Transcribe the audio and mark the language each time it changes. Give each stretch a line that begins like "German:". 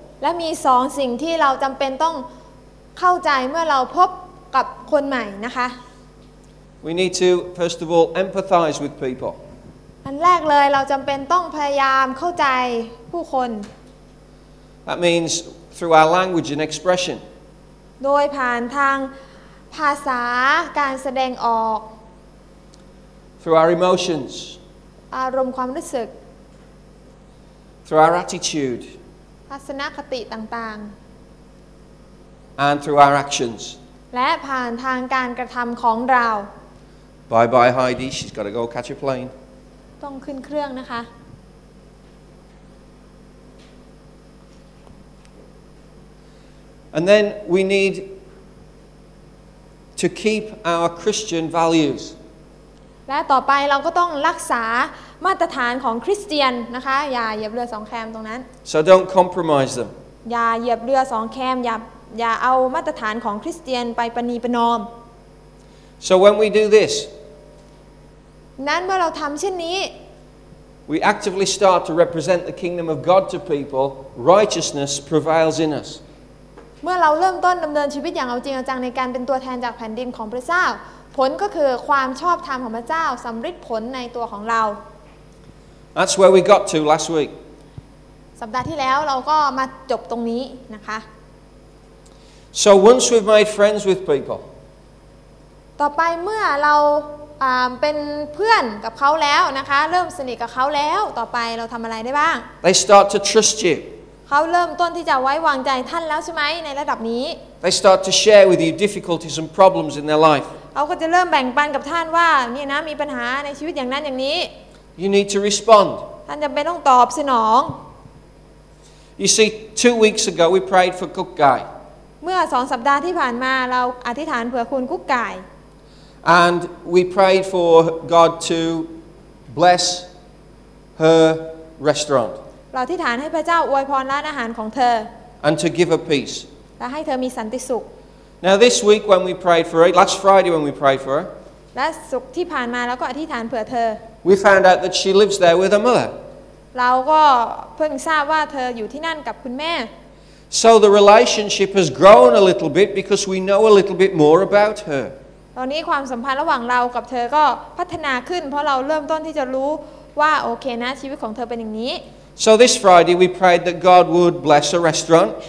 Thai: และมีสองสิ่งที่เราจำเป็นต้องเข้าใจเมื่อเราพบกับคนใหม่นะคะ
English: We need to first of all empathize with people
Thai: อันแรกเลยเราจำเป็นต้องพยายามเข้าใจผู้คน
English: That means through our language and expression
Thai: โดยผ่านทางภาษาการแสดงออก
English: Through our emotions
Thai: อารมณ์ความรู้สึก
English: Through our attitude
Thai: ทัศนคติต่าง
English: ๆ And through our actions
Thai: และผ่านทางการกระทำของเรา
English: Bye bye Heidi she's got to go catch a plane
Thai: ต้องขึ้นเครื่องนะคะ
English: And then we need to keep our Christian values
Thai: และต่อไปเราก็ต้องรักษามาตรฐานของคริสเตียนนะคะอย่าเหยียบเรือสองแคมตรงนั้น
English: So don't compromise them
Thai: อย่าเหยียบเรือสองแคมอย่าเอามาตรฐานของคริสเตียนไปประนีประนอม
English: So when we do this
Thai: นั้นเมื่อเราทำเช่นนี้
English: We actively start to represent the kingdom of God to people. Righteousness prevails in us.
Thai: เมื่อเราเริ่มต้นดำเนินชีวิตอย่างเอาจริงเอาจังในการเป็นตัวแทนจากแผ่นดินของพระเจ้าผลก็คือความชอบธรรมของพระเจ้าสำฤทธิ์ผลในตัวของเรา
English: That's where we got to last week.
Thai: สัปดาห์ที่แล้วเราก็มาจบตรงนี้นะคะ
English: So once we've made friends with people.
Thai: ต่อไปเมื่อเราเป็นเพื่อนกับเขาแล้วนะคะเริ่มสนิทกับเขาแล้วต่อไปเราทำอะไรได้บ้าง
English: They start to trust you
Thai: เขาเริ่มต้นที่จะไว้วางใจท่านแล้วใช่ไหมในระดับนี้
English: They start to share with you difficulties and problems in their life
Thai: เขาก็จะเริ่มแบ่งปันกับท่านว่านี่นะมีปัญหาในชีวิตอย่างนั้นอย่างนี้
English: You need to respond
Thai: ท่านจำเป็นต้องตอบสนอง
English: You see 2 weeks ago we prayed for Cook Guy
Thai: เมื่อ2สัปดาห์ที่ผ่านมาเราอธิษฐานเผื่อคุณกุ๊กไก่
English: And we prayed for God to bless her restaurant.
Thai: เราอธิษฐานให้พระเจ้าอวยพรร้านอาหารของเธอ
English: And to give her peace.
Thai: และให้เธอมีสันติสุข
English: Now this week when we prayed for her, last Friday when we prayed for her.
Thai: และศุกร์ที่ผ่านมาเราก็อธิษฐานเผื่อเธอ
English: We found out that she lives there with her mother.
Thai: เราก็เพิ่งทราบว่าเธออยู่ที่นั่นกับคุณแม่
English: So the relationship has grown a little bit because we know a little bit more about her.
Thai: ตอนนี้ความสัมพันธ์ระหว่างเรากับเธอก็พัฒนาขึ้นเพราะเราเริ่มต้นที่จะรู้ว่าโอเคนะชีวิตของเธอเป็นอย่างนี้
English: So this Friday we prayed that God would bless a restaurant